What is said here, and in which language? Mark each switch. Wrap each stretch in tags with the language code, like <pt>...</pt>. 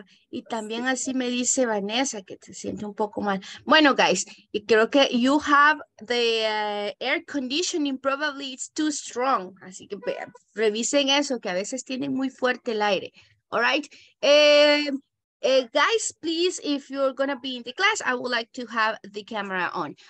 <es>Y también así me dice Vanessa que se siente un poco mal.</es> <en>Bueno, guys,</en> <es>y creo que</es> <en>you have the air conditioning, probably it's too strong.</en> <es>Así que revisen eso, que a veces tiene muy fuerte el aire.</es> <en>All right. Guys, please, if you're going to be in the class, I would like to have the camera on.</en>